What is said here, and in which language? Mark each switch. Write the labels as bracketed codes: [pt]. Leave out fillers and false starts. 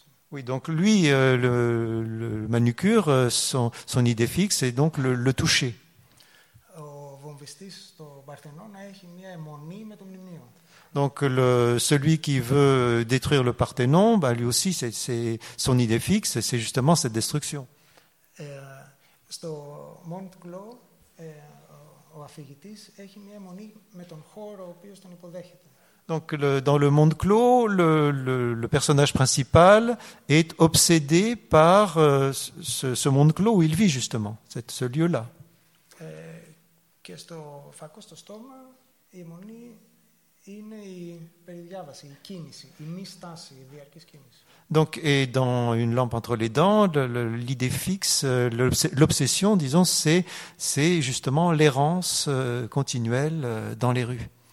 [fr] Oui, donc lui, le manucure, son idée fixe est donc le toucher. Donc celui qui veut détruire le Parthénon, bah, lui aussi, c'est son idée fixe, c'est justement cette destruction. [el] Στο Mont Clos, ο αφηγητής έχει μια αιμονή με τον χώρο ο οποίος τον υποδέχεται. [fr] Donc dans le monde clos, le personnage principal est obsédé par ce monde clos où il vit justement, ce lieu-là. [el] Και στο φακό στο στόμα η αιμονή είναι η περιδιάβαση, η κίνηση, η μη στάση, η διαρκής κίνηση. [fr] Donc et dans une lampe entre les dents, l'idée fixe, l'obsession, disons, c'est justement l'errance continuelle dans les rues.